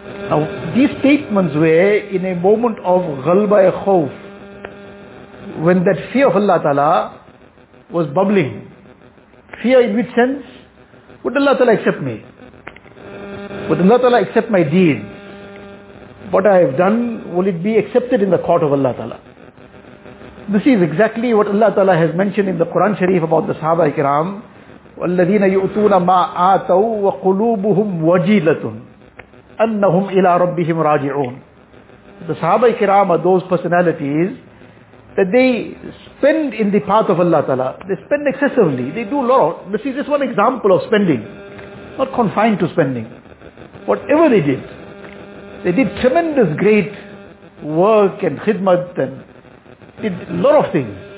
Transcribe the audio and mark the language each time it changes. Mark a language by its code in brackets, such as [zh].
[en] Now, these statements were in a moment of [ur] ghalba e khawf, [en] when that fear of Allah Ta'ala was bubbling. Fear in which sense? Would Allah Ta'ala accept me? Would Allah Ta'ala accept my deen? What I have done, will it be accepted in the court of Allah Ta'ala? This is exactly what Allah Ta'ala has mentioned in the Quran Sharif about the Sahaba Ikram, [ar] والذين يؤتون ما آتوا وقلوبهم وجيلة أنهم إلى ربهم راجعون. [en] The Sahaba Kiram are those personalities that they spend in the path of Allah Ta'ala. They spend excessively. They do a lot. This is just one example of spending. Not confined to spending. Whatever they did tremendous great work and khidmat and did a lot of things.